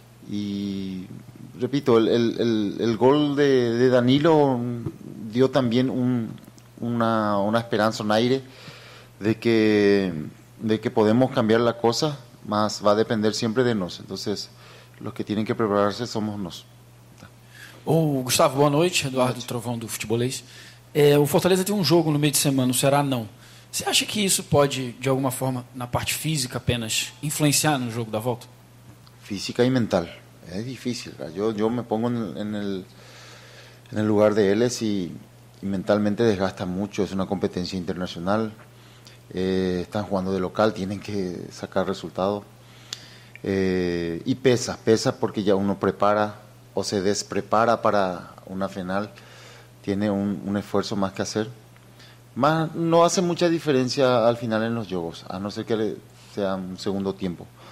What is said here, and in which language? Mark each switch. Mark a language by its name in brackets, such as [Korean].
[Spanish] Y repito, el gol de Danilo dio también una esperanza, un aire de que podemos cambiar las cosas, más va a depender siempre de nosotros. Entonces, los que tienen que prepararse somos nosotros. [Portuguese] Gustavo, boa noite. Eduardo Trovão, do Futebolês. O Fortaleza tem [Spanish] juego [Portuguese] no meio de semana, será no. Você acha que isso pode, de alguma forma, na parte física apenas, influenciar no jogo da volta? Física e mental. É difícil. Eu [Spanish] me pongo [Portuguese] no lugar de eles e mentalmente desgasta muito. É uma competência internacional. Estão jogando de local, têm que sacar resultado. E pesa porque já uno prepara ou se desprepara para uma final. [Spanish] Tiene un esfuerzo más que hacer. Más no hace mucha diferencia al final en los juegos, a no ser que sea un segundo tiempo.